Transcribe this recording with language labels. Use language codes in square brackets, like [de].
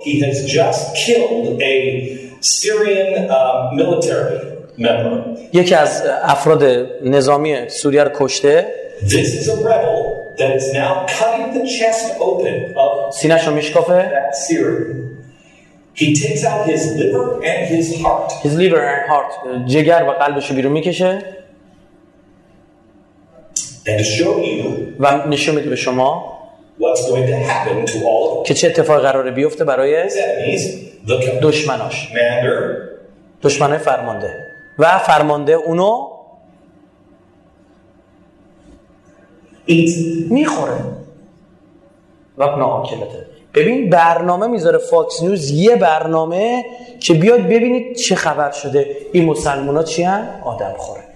[en] He has just killed a Syrian military. [fa] یکی از افراد نظامی سوریه رو کشته. [en] This is a rebel that is now cutting the chest open of. [fa] سینه‌شو میشکافه. [en] He takes out his liver and his heart. His liver and heart. [fa] جگر و قلبشو بیرون میکشه. [en] And to show you. [fa] و نشون میده به شما. [en] What's going to happen to all of them. [fa] که چه اتفاقی قراره بیفته برای دشمناش. [en] Commander. [fa] دشمنای فرمانده. و فرمانده اونو میخوره و ناکلته. ببین برنامه میذاره فاکس نیوز، یه برنامه که بیاد ببینید چه خبر شده، این مسلمان ها چی هن؟ آدم خوره.